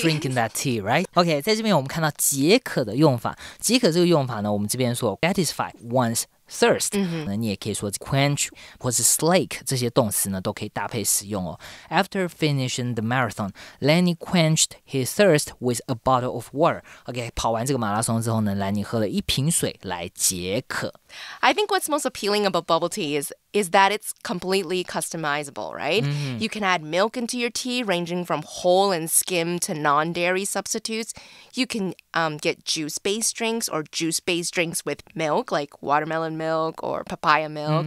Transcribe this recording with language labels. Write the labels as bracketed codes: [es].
[en] I get full drinking that tea, right? Okay, [zh] 在这边我们看到解渴的用法。解渴这个用法呢，我们这边说 [en] satisfy one's thirst.、 Mm-hmm. [zh] 那你也可以说 quench 或是 slake 这些动词呢，都可以搭配使用哦。 [en] After finishing the marathon, Lenny quenched his thirst with a bottle of water. [zh] Okay, 跑完这个马拉松之后呢，兰尼喝了一瓶水来解渴。 [en] I think what's most appealing about bubble tea is that it's completely customizable, right? Mm-hmm. You can add milk into your tea, ranging from whole and skim to non-dairy substitutes. You can get juice-based drinks or juice-based drinks with milk, like watermelon milk or papaya milk.